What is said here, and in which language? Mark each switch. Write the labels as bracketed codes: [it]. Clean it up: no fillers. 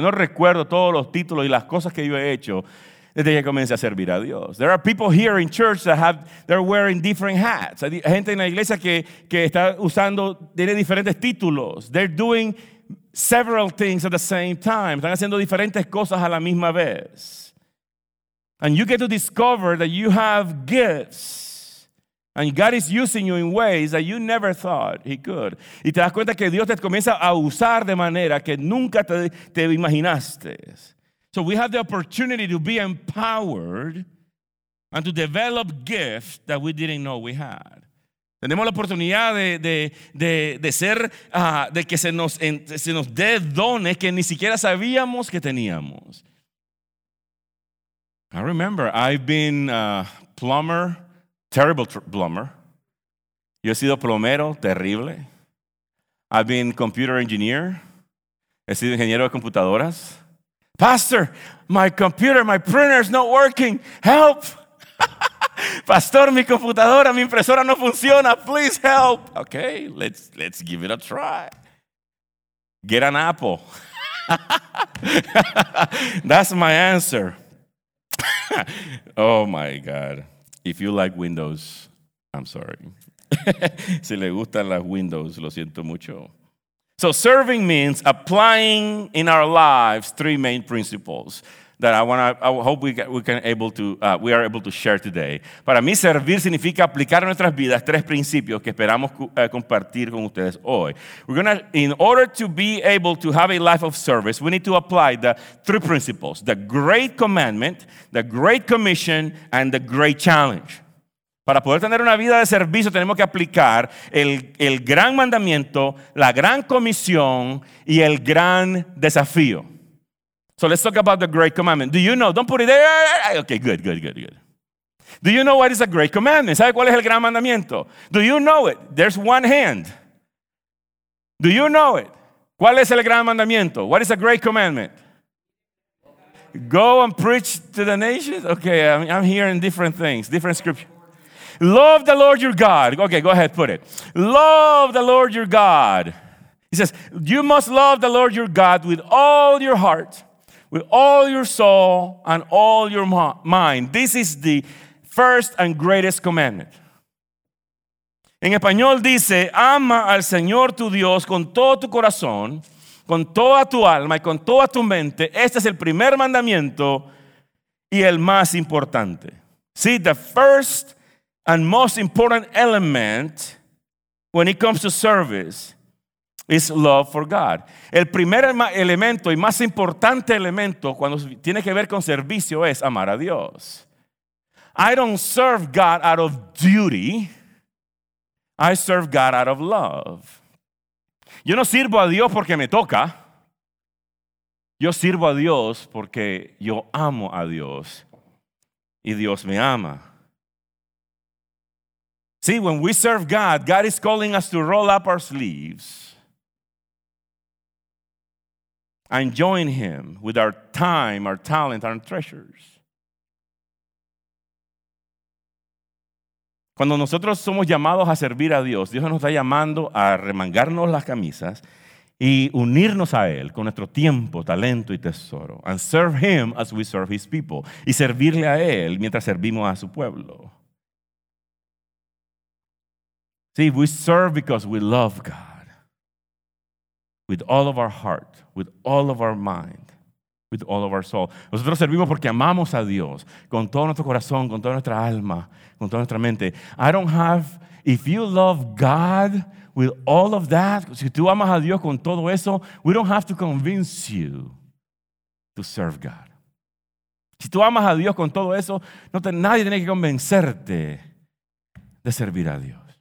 [es] Yo no recuerdo todos los títulos y las cosas que yo he hecho desde que comencé a servir a Dios. [en] There are people here in church they're wearing different hats. [es] Hay gente en la iglesia que está usando, tiene diferentes títulos. [en] They're doing several things at the same time. [es] Están haciendo diferentes cosas a la misma vez. [en] And you get to discover that you have gifts. And God is using you in ways that you never thought he could. [es] Y te das cuenta que Dios te comienza a usar de manera que nunca te imaginaste. [en] So we have the opportunity to be empowered and to develop gifts that we didn't know we had. [es] Tenemos la oportunidad de que se nos dé dones que ni siquiera sabíamos que teníamos. [en] I remember I've been a plumber, terrible plumber. [es] Yo he sido plomero, terrible. [en] I've been computer engineer. [es] He sido ingeniero de computadoras. [en] Pastor, my computer, my printer is not working. Help. [es] Pastor, mi computadora, mi impresora no funciona. [en] Please help. Okay, let's give it a try. Get an Apple. That's my answer. Oh my God. If you like Windows, I'm sorry. [es] Si le gustan las Windows, lo siento mucho. [en] So serving means applying in our lives three main principles that I hope we are able to share today. [es] Para mí servir significa aplicar en nuestras vidas tres principios que esperamos compartir con ustedes hoy. [en] In order to be able to have a life of service, we need to apply the three principles: the great commandment, the great commission, and the great challenge. [es] Para poder tener una vida de servicio, tenemos que aplicar el gran mandamiento, la gran comisión y el gran desafío. [en] So let's talk about the great commandment. Do you know? Don't put it there. Okay, good, good, good, good. Do you know what is a great commandment? [es] ¿Sabe cuál es el gran mandamiento? [en] Do you know it? There's one hand. Do you know it? [es] ¿Cuál es el gran mandamiento? [en] What is a great commandment? Go and preach to the nations. Okay, I'm hearing different things, different scriptures. Love the Lord your God. Okay, go ahead, put it. Love the Lord your God. He says, you must love the Lord your God with all your heart, with all your soul, and all your mind. This is the first and greatest commandment. [es] En español dice, ama al Señor tu Dios con todo tu corazón, con toda tu alma y con toda tu mente. Este es el primer mandamiento y el más importante. [en] See, the first and most important element when it comes to service is love for God. [es] El primer elemento y más importante elemento cuando tiene que ver con servicio es amar a Dios. [en] I don't serve God out of duty. I serve God out of love. [es] Yo no sirvo a Dios porque me toca. Yo sirvo a Dios porque yo amo a Dios y Dios me ama. [en] See, when we serve God, God is calling us to roll up our sleeves and join Him with our time, our talent, our treasures. [es] Cuando nosotros somos llamados a servir a Dios, Dios nos está llamando a remangarnos las camisas y unirnos a Él con nuestro tiempo, talento y tesoro. [en] And serve Him as we serve His people. [es] Y servirle a Él mientras servimos a su pueblo. [en] See, we serve because we love God. With all of our heart, with all of our mind, with all of our soul. [es] Nosotros servimos porque amamos a Dios con todo nuestro corazón, con toda nuestra alma, con toda nuestra mente. [en] I don't have, if you love God with all of that, [es] si tú amas a Dios con todo eso, [en] we don't have to convince you to serve God. [es] Si tú amas a Dios con todo eso, nadie tiene que convencerte de servir a Dios.